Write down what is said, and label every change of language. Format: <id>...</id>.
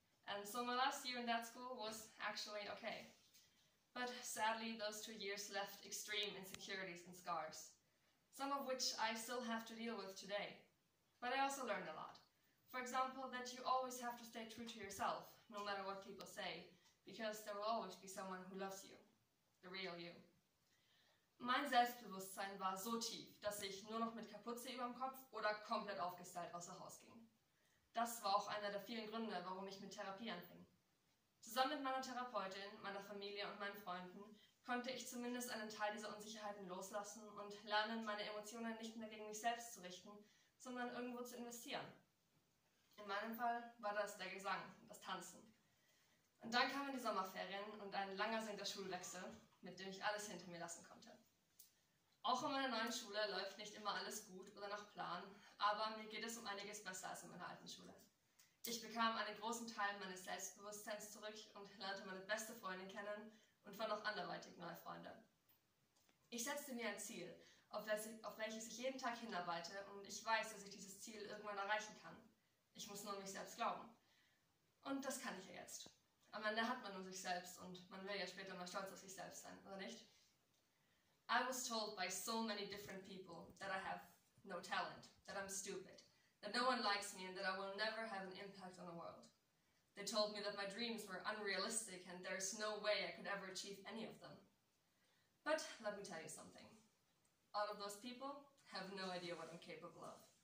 <en>And so my last year in that school was actually okay. But sadly, those 2 years left extreme insecurities and scars, some of which I still have to deal with today. But I also learned a lot. For example, that you always have to stay true to yourself, no matter what people say, because there will always be someone who loves you, the real you.</en> <de>Mein Selbstbewusstsein war so tief, dass ich nur noch mit Kapuze überm Kopf oder komplett aufgestylt außer Haus ging. Das war auch einer der vielen Gründe, warum ich mit Therapie anfing. Zusammen mit meiner Therapeutin, meiner Familie und meinen Freunden konnte ich zumindest einen Teil dieser Unsicherheiten loslassen und lernen, meine Emotionen nicht mehr gegen mich selbst zu richten, sondern irgendwo zu investieren. In meinem Fall war das der Gesang, das Tanzen. Und dann kamen die Sommerferien und ein langersehnter Schulwechsel, mit dem ich alles hinter mir lassen konnte. Auch in meiner neuen Schule läuft nicht immer alles gut oder nach Plan, aber mir geht es um einiges besser als in meiner alten Schule. Ich bekam einen großen Teil meines Selbstbewusstseins zurück und lernte meine beste Freundin kennen und fand auch anderweitig neue Freunde. Ich setzte mir ein Ziel, auf welches ich jeden Tag hinarbeite und ich weiß, dass ich dieses Ziel irgendwann erreichen kann. Ich muss nur an mich selbst glauben. Und das kann ich ja jetzt. Am Ende hat man nur sich selbst und man will ja später mal stolz auf sich selbst sein, oder nicht?</de> <en>I was told by so many different people that I have no talent, that I'm stupid, that no one likes me and that I will never have an impact on the world. They told me that my dreams were unrealistic and there's no way I could ever achieve any of them. But let me tell you something. All of those people have no idea what I'm capable of.</en>